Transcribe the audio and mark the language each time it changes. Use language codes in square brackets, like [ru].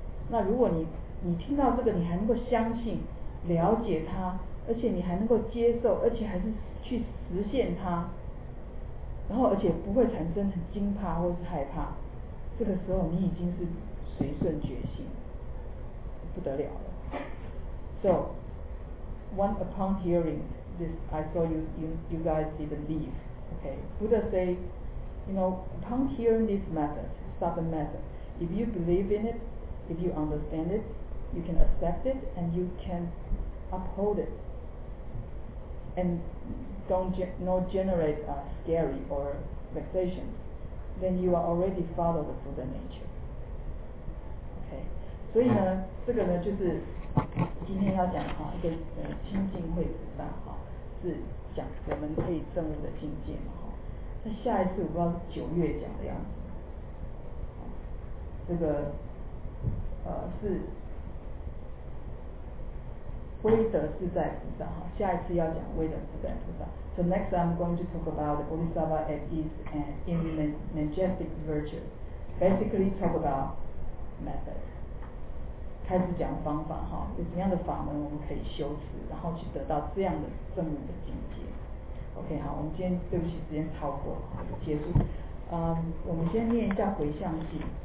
[zh] 那如果你听到这个，你还能够相信、了解它，而且你还能够接受，而且还是去实现它，然后而且不会产生很惊怕或是害怕，这个时候你已经是随顺觉性，不得了了。 [en] So, once upon hearing this, I saw you guys didn't leave. Okay, Buddha say, you know, upon hearing this method, sudden method, if you believe in it, if you understand it, you can accept it and you can uphold it. And don't generate scary or vexation, then you are already follow the Buddha nature. [zh] Okay, 所以呢，这个呢就是今天要讲哈，一个清净慧菩萨哈是。讲我们可以证悟的境界嘛？哈，那下一次我不知道是九月讲的样子，这个是威德自在菩萨哈，下一次要讲威德自在菩萨。 [en] So next I'm going to talk about the Bodhisattva at ease and in majestic virtue. Basically talk about method. [zh] 开始讲方法哈，有怎样的法门我们可以修持，然后去得到这样的证悟的境界。 OK， 好，我们今天对不起，时间超过，结束。我们先念一下回向偈。